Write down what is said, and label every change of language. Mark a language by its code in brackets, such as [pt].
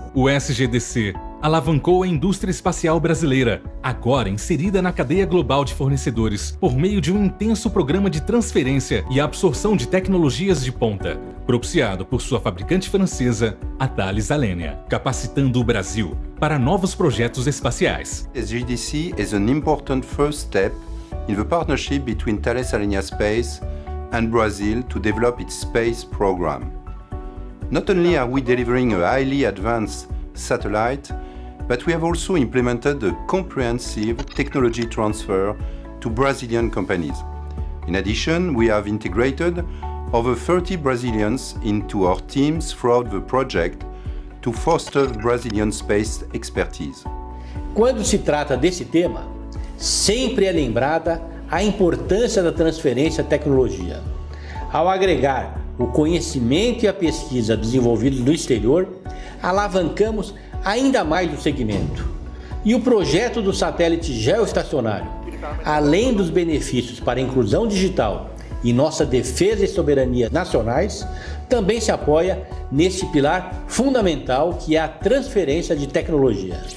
[pt] O SGDC alavancou a indústria espacial brasileira, agora inserida na cadeia global de fornecedores, por meio de um intenso programa de transferência e absorção de tecnologias de ponta, propiciado por sua fabricante francesa, a Thales Alenia, capacitando o Brasil para novos projetos espaciais. [en] SGDC is an important first step in the partnership between Thales Alenia Space and Brazil to develop its space program. Not only are we delivering a highly advanced satellite, but we have also implemented a comprehensive technology transfer to Brazilian companies. In addition, we have integrated over 30 Brazilians into our teams throughout the project to foster Brazilian space expertise. [pt] Quando se trata desse tema, sempre é lembrada a importância da transferência à tecnologia, ao agregar o conhecimento e a pesquisa desenvolvidos no exterior, alavancamos ainda mais o segmento. E o projeto do satélite geoestacionário, além dos benefícios para a inclusão digital e nossa defesa e soberania nacionais, também se apoia neste pilar fundamental que é a transferência de tecnologia.